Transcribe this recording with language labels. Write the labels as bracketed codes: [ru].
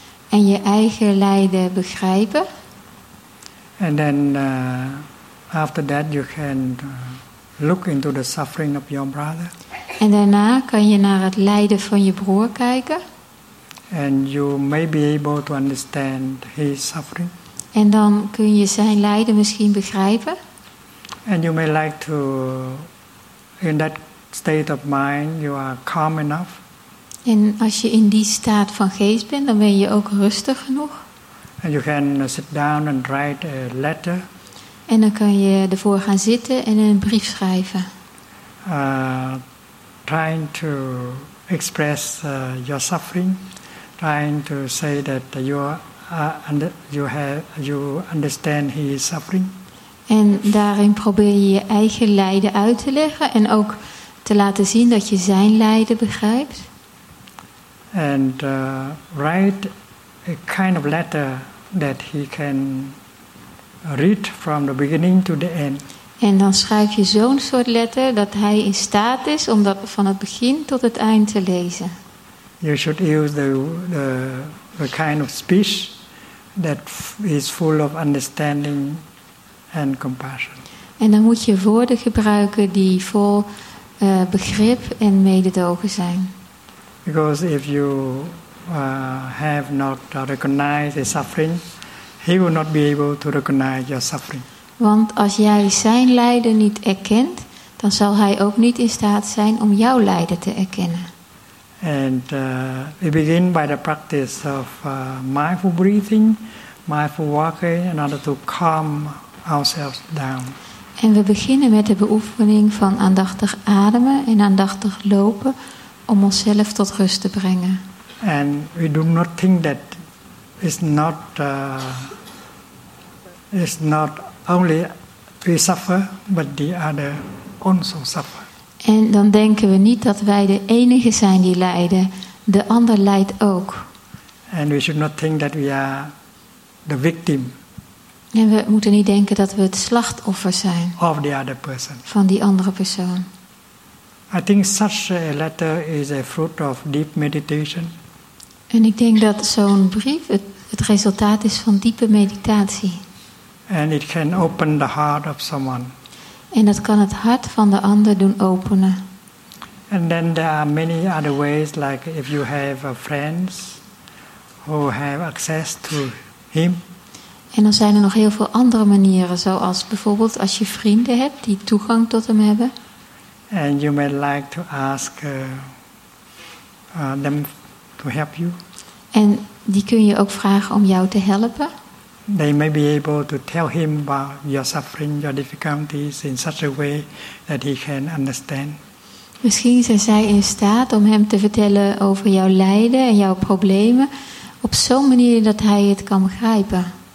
[nl] En je eigen lijden begrijpen. [en] And then after that you can look into the suffering of your brother. [nl] En daarna kan je naar het lijden van je broer kijken. [en] And you may be able to understand his suffering. [nl] En dan kun je zijn lijden misschien begrijpen. [en] And you may like to, in that state of mind, you are calm enough. [nl] En als je in die staat van geest bent, dan ben je ook rustig genoeg. [en] And you can sit down and write a letter. [nl] En dan kan je ervoor gaan zitten en een brief schrijven. [en] Trying to express your suffering. Trying to say that you understand his suffering. [nl] En daarin probeer je je eigen lijden uit te leggen en ook te laten zien dat je zijn lijden begrijpt. [en] And write a kind of letter that he can read from the beginning to the end. [nl] En dan schrijf je zo'n soort letter dat hij in staat is om dat van het begin tot het eind te lezen. [en] You should use the kind of speech that is full of understanding and compassion. [nl] En dan moet je woorden gebruiken die vol begrip en mededogen zijn. [en] Because if you have not recognized his suffering, he will not be able to recognize your suffering. [nl] Want als jij zijn lijden niet erkent, dan zal hij ook niet in staat zijn om jouw lijden te erkennen. [en] And we begin by the practice of mindful breathing, mindful walking, in order to calm ourselves down. [nl] En we beginnen met de beoefening van aandachtig ademen en aandachtig lopen om onszelf tot rust te brengen. [en] And we do not think that it's not only we suffer, but the other also suffer. [nl] En dan denken we niet dat wij de enige zijn die lijden. De ander lijdt ook. [en] And we should not think that we are the victim. [nl] En we moeten niet denken dat we het slachtoffer zijn. [en] Of the other person. [nl] Van die andere persoon. [en] I think such a letter is a fruit of deep meditation. [nl] En ik denk dat zo'n brief het resultaat is van diepe meditatie. [en] And it can open the heart of someone. [nl] En dat kan het hart van de ander doen openen. [en] And then there are many other ways, like if you have friends who have access to him. [nl] En dan zijn er nog heel veel andere manieren, zoals bijvoorbeeld als je vrienden hebt die toegang tot hem hebben. [en] And you may like to ask them to help you. [nl] En die kun je ook vragen om jou te helpen. [en] They may be able to tell him about your suffering, your difficulties in such a way that he can understand. [nl] Misschien zijn zij in staat om hem te vertellen over jouw lijden en jouw problemen op zo'n manier dat hij het kan begrijpen.